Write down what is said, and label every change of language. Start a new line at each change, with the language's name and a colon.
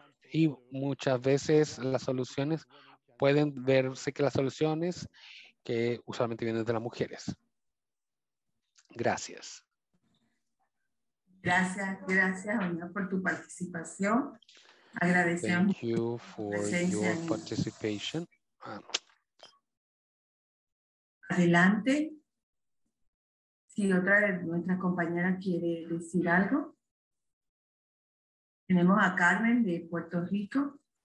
Spanish: Y muchas veces las soluciones pueden verse que las soluciones que usualmente vienen de las mujeres. Gracias. Gracias, por tu participación. Agradecemos.
English: Thank you for your participation.
Spanish: Adelante. Si otra de nuestras compañeras quiere decir algo. Tenemos a Carmen de Puerto Rico.